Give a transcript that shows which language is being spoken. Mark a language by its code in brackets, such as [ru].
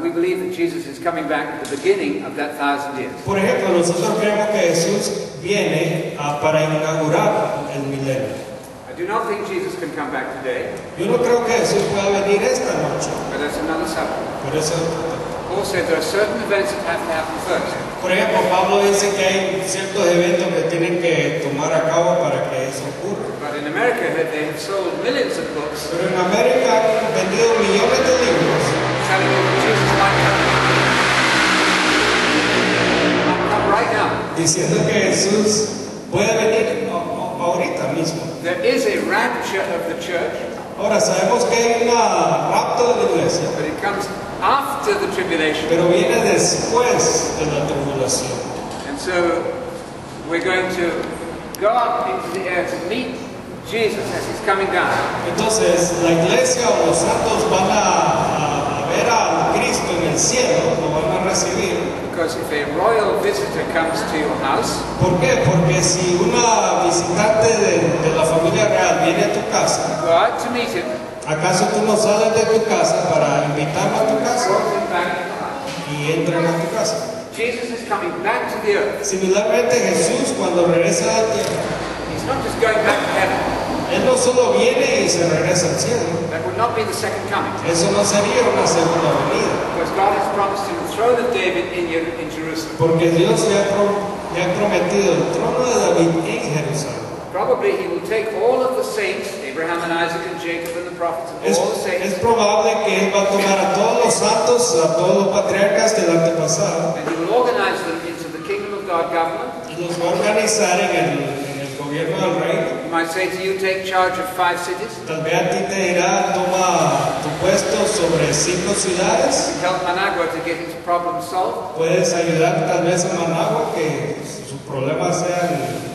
[en] We believe that Jesus is coming back at the beginning of that 1,000 years. [es] Por ejemplo, nosotros creemos que Jesús viene para inaugurar el milenio. [en] I do not think Jesus can come back today. [es] Yo no creo que Jesús pueda venir esta noche. [en] But that's another subject. [es] Por eso. [en] Also, there are certain events that have to happen first. [es] Por ejemplo, Pablo dice que hay ciertos eventos que tienen que tomar a cabo para que eso ocurra. [en] In America, they have sold millions of books. [es] Pero en América han vendido millones de libros. [en] Telling them that Jesus might come right now. [es] Diciendo que Jesús puede venir ahorita mismo. [en] There is a rapture of the church. [es] Ahora sabemos que hay un rapto de la iglesia. [en] But it comes after the tribulation. [es] Pero viene después de la tribulación. [en] And so we're going to go up into the air to meet Jesus as he's coming down. [es] Entonces, la iglesia o los santos van a ver a Cristo en el cielo, lo van a recibir. [en] Because if a royal visitor comes to your house, [es] ¿por qué? Porque si una visitante de la familia real viene a tu casa, [en] go out to meet him. [es] ¿Acaso tú no sales de tu casa para invitarlo a tu casa? Y entra a tu casa. [en] Jesus is coming back to the earth. [es] Similarmente, Jesús cuando regresa a la tierra, [en] not just going back to heaven. [es] Él no solo viene y se regresa al cielo. [en] That would not be the second coming. [es] Eso no sería una segunda venida. [en] Because God has promised him the throne of David in Jerusalem. [es] Porque Dios le ha prometido el trono de David en Jerusalén. [en] Probably he will take all of the saints, Abraham and Isaac and Jacob and the prophets and all the saints. [es] Es probable que él va a tomar a todos los santos, a todos los patriarcas del antepasado. [en] And he will organize them into the kingdom of God government. [es] Y los va a organizar en el [en] he might say to you, take charge of 5 cities. [es] Tal vez a ti te dirá, toma tu puesto sobre 5 ciudades. [en] Help Managua to get his problem solved. [es] Puedes ayudar tal vez a Managua que su problema sea